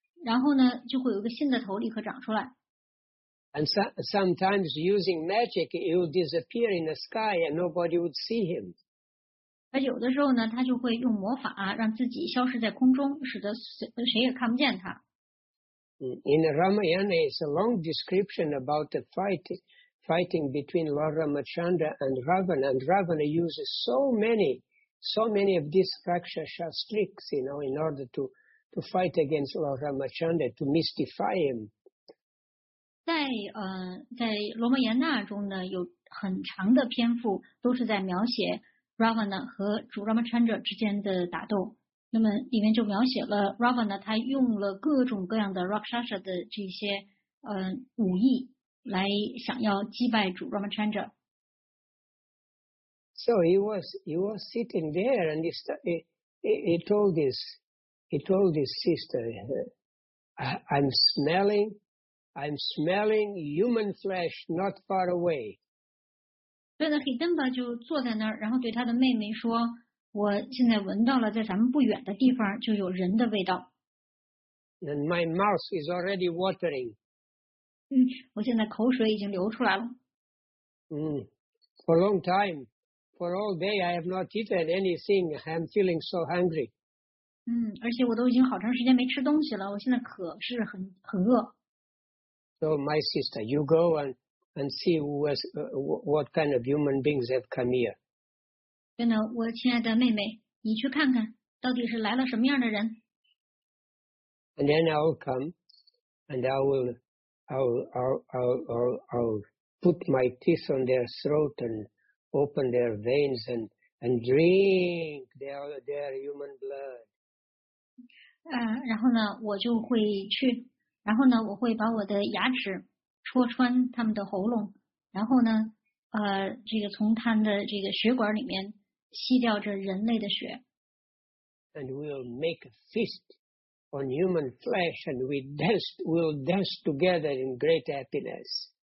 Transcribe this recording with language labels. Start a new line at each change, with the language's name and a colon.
Chinese: 然后呢，就会有一个新的头立刻长出来。
English: And sometimes using magic, he would disappear in the sky and nobody would see him.
Chinese: 而有的时候呢，他就会用魔法让自己消失在空中，使得谁也看不见他。
English: In the Ramayana, it's a long description about the fighting between Lord Ramachandra and Ravana. And Ravana uses so many of these Rakshasa's tricks, you know, in order to fight against Lord Ramachandra, to mystify him.
Chinese: 在罗摩衍那中呢，有很长的篇幅都是在描写 Ravana 和主 Ramachandra 之间的打斗。那么里面就描写了 Ravana 他用了各种各样的 Rakshasa 的这些武艺来想要击败主 Ramachandra。
English: So he was sitting there, and he told his sister, I'm smelling human flesh not far away.
Chinese: 对呢, 黑登巴就坐在那儿, 然后对他的妹妹说, 我现在闻到了在咱们不远的地方, 就有人的味道。
English: And my mouth is already watering.
Chinese: 嗯, 我现在口水已经流出来了。
English: For a long time, for all day, I have not eaten anything. I'm feeling so hungry.
Chinese: 嗯, 而且我都已经好长时间没吃东西了, 我现在可是很饿。
English: So my sister, you go and see what kind of human beings have come here.
Chinese: 真的, 我亲爱的妹妹, 你去看看, 到底是来了什么样的人。
English: And then I'll come, and I'll put my teeth on their throat and open their veins and drink their human blood.
Chinese: 然后呢，我就会去，然后呢，我会把我的牙齿戳穿他们的喉咙，然后呢，这个从他的这个血管里面吸掉着人类的血。
English: And we'll make a feast on human flesh, and we'll dance together in great happiness.